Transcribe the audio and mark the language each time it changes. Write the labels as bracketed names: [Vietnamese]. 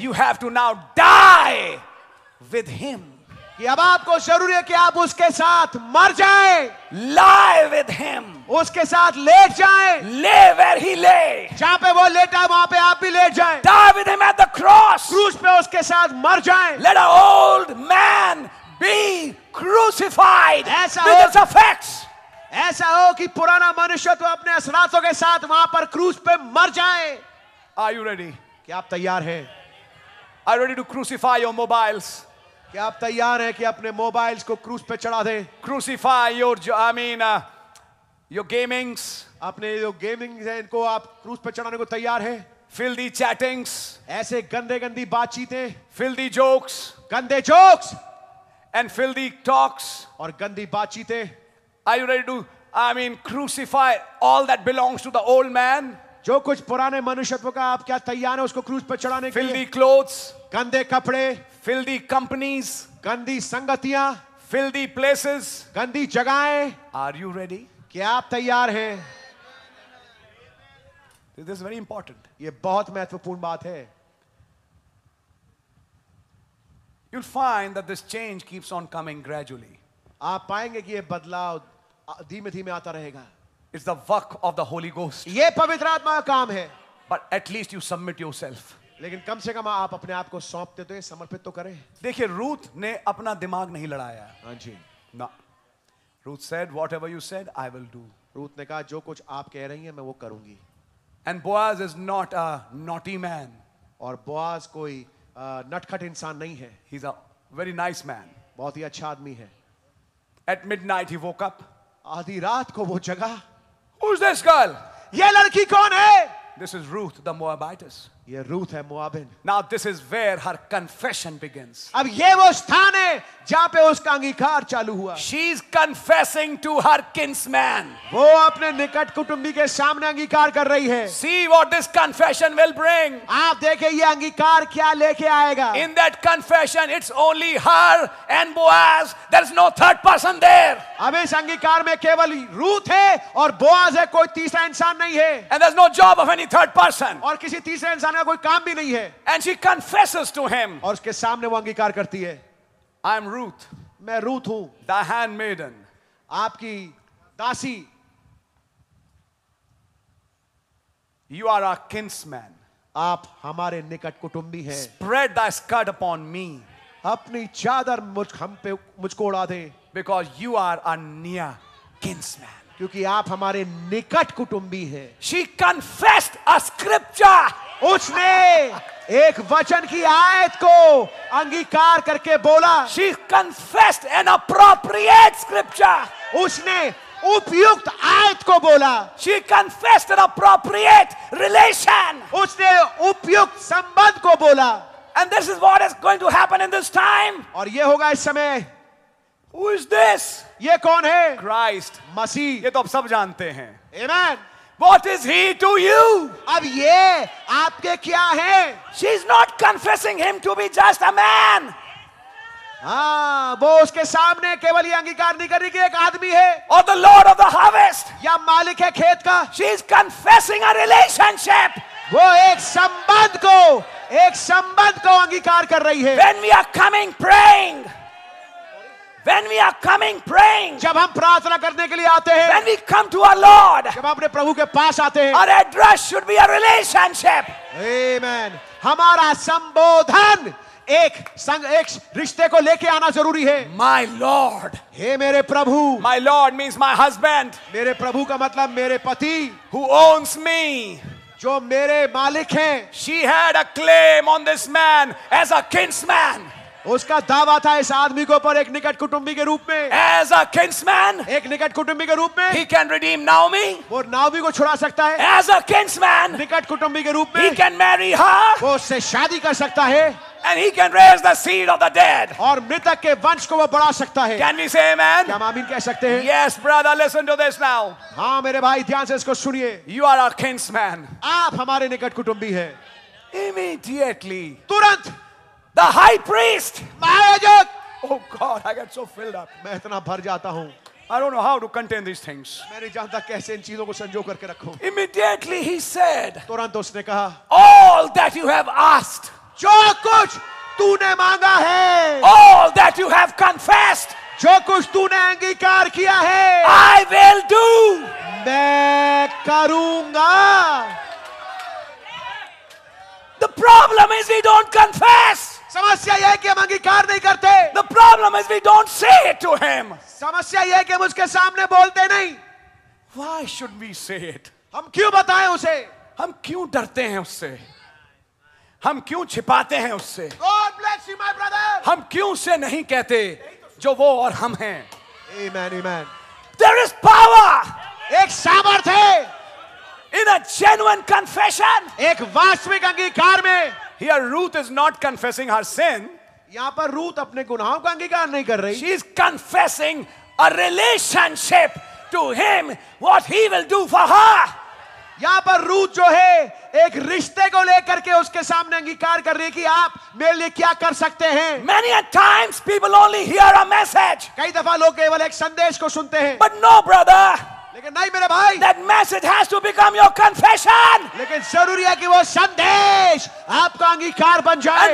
[English] you have to now die with him. [Hindi] कि अब आपको जरूरी है कि आप उसके साथ मर जाएं. [English] Lie with him. [Hindi] उसके साथ लेट जाएं. [English] Lay where he lay. [Hindi] जहां पे वो लेटा वहां पे आप भी लेट जाएं. [English] Die with him at the cross. [Hindi] क्रूस पे उसके साथ मर जाएं. [English] Let an old man be crucified with his effects. [Hindi] ऐसा हो कि पुराना मनुष्य तो अपने असरातों के साथ वहां पर क्रूस पे मर जाए. [English] Are you ready? [Hindi] क्या आप तैयार हैं? [English] Are you ready to crucify your mobiles? [Hindi] क्या आप तैयार हैं कि अपने मोबाइल्स को क्रूस पे चढ़ा दें? [English] Crucify your, your gamings. [Hindi] अपने जो गेमिंग है इनको आप क्रूस पे चढ़ाने को तैयार हैं? [English] Filthy chattings. [Hindi] ऐसे गंदे गंदी बातचीतें. [English] Filthy jokes. [Hindi] गंदे जोक्स. [English] And filthy talks. [Hindi] और गंदी बातचीतें. [English] Are you ready to, crucify all that belongs to the old man? [Hindi] जो कुछ पुराने मनुष्यत्व का आप क्या तैयार हैं उसको क्रूस पर चढ़ाने के लिए? [English] Filthy clothes. [Hindi] गंदे कपड़े. [English] Filthy companies. [Hindi] गंदी संगतियां. [English] Filthy places. [Hindi] गंदी जगहें. [English] Are you ready? [Hindi] क्या आप तैयार हैं? [English] This is very important. [Hindi] ये बहुत महत्वपूर्ण बात है. [English] you'll find that this change keeps on coming gradually. [Hindi] आप पाएंगे कि ये बदलाव धीमे-धीमे आता रहेगा. [English] It's the work of the Holy Ghost. [Hindi] ये पवित्र आत्मा का काम है. [English] But at least you submit yourself. [Hindi] लेकिन कम से कम आप अपने आप को सौंपते तो ये समर्पित तो करें. देखिए रूथ ने अपना दिमाग नहीं लड़ाया. हाँ जी. [English] No. Ruth said, "Whatever you said, I will do." [Hindi] Ruth ने कहा जो कुछ आप कह रही हैं मैं वो करूंगी. [English] And Boaz is not a naughty man. [Hindi] और बोआज कोई नटखट इंसान नहीं है. [English] He's a very nice man. [Hindi] बहुत ही अच्छा आदमी है. [English] At midnight he woke up. [Hindi] आधी रात को वो जगा. [English] Who's this girl? [Hindi] ये लड़की कौन है? [English] This is Ruth, the Moabitess. [Hindi] ये रूथ है मोआबिन. [English] Now this is where her confession begins. [Hindi] अब ये वो स्थान है जहाँ पे उसका अंगीकार चालू हुआ. [English] She's confessing to her kinsman. [Hindi] वो अपने निकट कुटुंबी के सामने अंगीकार कर रही है. [English] See what this confession will bring. [Hindi] आप देखें ये अंगीकार क्या लेके आएगा. [English] In that confession, it's only her and Boaz. There's no third person there. [Hindi] अब इस अंगीकार में केवल रूथ है और बोआज है, कोई तीसरा इंसान नहीं है. [English] And there's no job of any third person. [Hindi] और किसी तीसरे इंसान का कोई काम भी नहीं है. [English] And she confesses to him. [Hindi] और उसके सामने वो अंगीकार करती है. [English] I am Ruth. [Hindi] मैं रूथ हूं. [English] The handmaiden. [Hindi] आपकी दासी. [English] You are our kinsman. [Hindi] आप हमारे निकट कुटुंबी हैं. [English] Spread thy skirt upon me. [Hindi] अपनी चादर मुझको उड़ा दे. [English] Because you are a near kinsman. [Hindi] क्योंकि आप हमारे निकट कुटुंबी हैं. [English] She confessed a scripture. [Hindi] उसने एक वचन की आयत को अंगीकार करके बोला. [English] She confessed an appropriate scripture. [Hindi] उसने उपयुक्त आयत को बोला. [English] She confessed an appropriate relation. [Hindi] उसने उपयुक्त संबंध को बोला. [English] And this is what is going to happen in this time. [Hindi] और ये होगा इस समय. [English] Who is this? [Hindi] ये कौन है? [English] Christ. [Hindi] मसीह. ये तो आप सब जानते हैं. [English] Amen. What is he to you? [Hindi] अब ये आपके क्या है? [English] She is not confessing him to be just a man. [Hindi] हाँ, वो उसके सामने केवल ये अंगीकार नहीं कर रही कि एक आदमी है. [English] Or the Lord of the harvest. [Hindi] या मालिक है खेत का. [English] She is confessing a relationship. [Hindi] वो एक संबंध को अंगीकार कर रही है. [English] When we are coming praying. When we are coming praying, [Hindi] जब हम प्रार्थना करने के लिए आते हैं. [English] When we come to our Lord, [Hindi] जब अपने प्रभु के पास आते हैं. [English] Our address should be a relationship. Amen. [Hindi] हमारा संबोधन एक रिश्ते को लेके आना जरूरी है. [English] My Lord, [Hindi] हे मेरे प्रभु. [English] My Lord means my husband. [Hindi] मेरे प्रभु का मतलब मेरे पति. [English] Who owns me? [Hindi] जो मेरे मालिक हैं. [English] She had a claim on this man as a kinsman. [Hindi] उसका दावा था इस आदमी को पर एक निकट कुटुंबी के रूप में. [English] As a kinsman, [Hindi] एक निकट कुटुंबी के रूप में. [English] He can redeem Naomi, [Hindi] वो नाओमी को छुड़ा सकता है. [English] As a kinsman, [Hindi] निकट कुटुंबी के रूप में. [English] He can marry her, [Hindi] वो उससे शादी कर सकता है. [English] And he can raise the seed of the dead, [Hindi] और मृतक के वंश को वो बढ़ा सकता है. [English] Can we say amen? [Hindi] क्या आमीन कह सकते हैं? [English] Yes, brother, listen to this now. [Hindi] हाँ मेरे भाई, ध्यान से इसको सुनिए. [English] You are a kinsman. [Hindi] आप हमारे निकट कुटुंबी है. [English] Immediately, [Hindi] तुरंत. [English] The high priest, [Hindi] महायाजक. [English] Oh God, I get so filled up. [Hindi] मैं इतना भर जाता हूँ. [English] I don't know how to contain these things. [Hindi] मैं नहीं जानता कैसे इन चीजों को संजो करके रखूँ. [English] Immediately he said, [Hindi] तुरंत उसने कहा, [English] All that you have asked, [Hindi] जो कुछ तूने मांगा है. [English] All that you have confessed, [Hindi] जो कुछ तूने अंगीकार किया है. [English] I will do, [Hindi] मैं करूँगा. [English] The problem is we don't confess. [Hindi] समस्या यह है कि हम अंगीकार नहीं करते. [English] The problem is we don't say it to him. [Hindi] समस्या यह है कि हम उसके सामने बोलते नहीं. [English] Why should we say it? [Hindi] हम क्यों बताएं उसे? हम क्यों डरते हैं उससे? हम क्यों छिपाते हैं उससे? [English] God bless you, my brother. [Hindi] हम क्यों उसे नहीं कहते जो वो और हम हैं? [English] Amen, amen. There is power. [Hindi] एक सामर्थ है. [English] In a genuine confession. [Hindi] एक वास्तविक अंगीकार में. [English] Here Ruth is not confessing her sin. [Hindi] यहाँ पर रूथ अपने गुनाहों का अंगीकार नहीं कर रही. [English] She is confessing a relationship to him, what he will do for her. [Hindi] यहाँ पर रूथ जो है एक रिश्ते को लेकर के उसके सामने अंगीकार कर रही है कि आप मेरे लिए क्या कर सकते हैं. [English] Many a times people only hear a message. [Hindi] कई दफा लोग केवल एक संदेश को सुनते हैं. [English] But no, brother. [Hindi] लेकिन नहीं मेरे भाई, [English] that message has to become your confession. [Hindi] लेकिन जरूरी है कि वो संदेश आपका अंगीकार बन जाए.